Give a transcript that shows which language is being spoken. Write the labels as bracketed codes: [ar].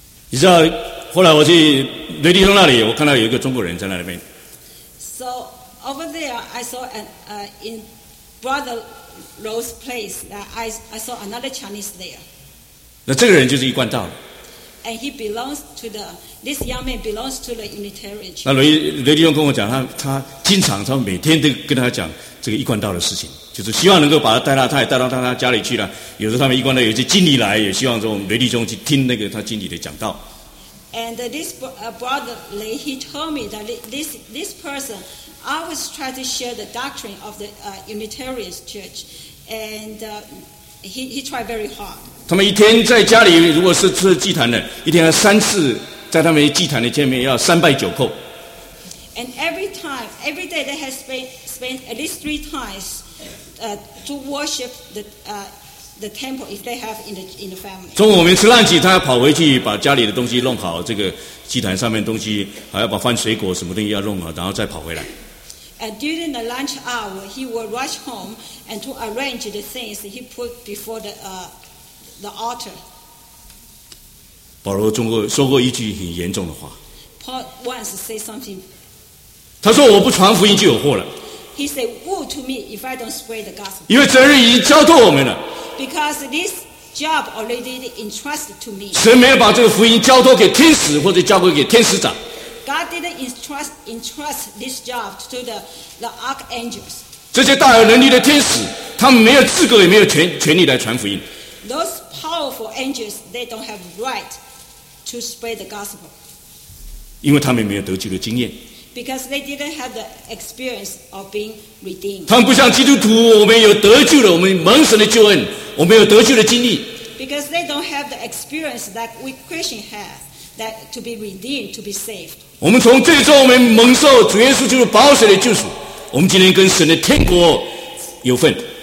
[zh] 你知道，后来我去雷弟兄那里，我看到有一个中国人在那边。 [en] So over there, I saw in brother Rose's place that I saw another Chinese there. [zh] 那这个人就是一贯道。 [en] And he belongs to the this young man belongs to the Unitarian Church. [zh] 那雷弟兄跟我讲，他经常他每天都跟他讲这个一贯道的事情，就是希望能够把他带到他也带到他家里去了。有时候他们一贯道有些经理来，也希望说雷弟兄去听那个他经理的讲道。 [en] And this brother Lee, he told me that this person always tried to share the doctrine of the Unitarian Church, and he tried very hard. [zh] 他们一天在家里，如果是祭坛的，一天要三次在他们祭坛的前面要三拜九叩。 [en] And every time, every day they have spent at least three times, to worship the temple if they have in the family. [zh] 中午我们吃饭起，他要跑回去把家里的东西弄好，这个祭坛上面的东西还要把饭、水果什么东西要弄好，然后再跑回来。 [en] And during the lunch hour, he will rush home and to arrange the things he put before the altar. [zh] 保罗中过说过一句很严重的话。 [en] Paul once said something. [zh] 他说我不传福音就有祸了。 [en] He said, "Woe to me if I don't spread the gospel." [zh] 因为责任已经交托我们了。 [en] Because this job already entrusted to me. [zh] 神没有把这个福音交托给天使或者交托给天使长。 [en] God didn't entrust this job to the archangels. [zh] 这些大有能力的天使，他们没有资格也没有权力来传福音。 [en] Those powerful angels, they don't have right to spread the gospel. [zh] 因为他们没有得救的经验。 [en] Because they didn't have the experience of being redeemed. [zh] 他们不像基督徒，我们有得救了，我们蒙神的救恩，我们有得救的经历。 [en] Because they don't have the experience that we Christians have, that to be redeemed, to be saved. [zh] 我们从最终我们蒙受主耶稣基督宝血的救赎，我们今天跟神的天国有份。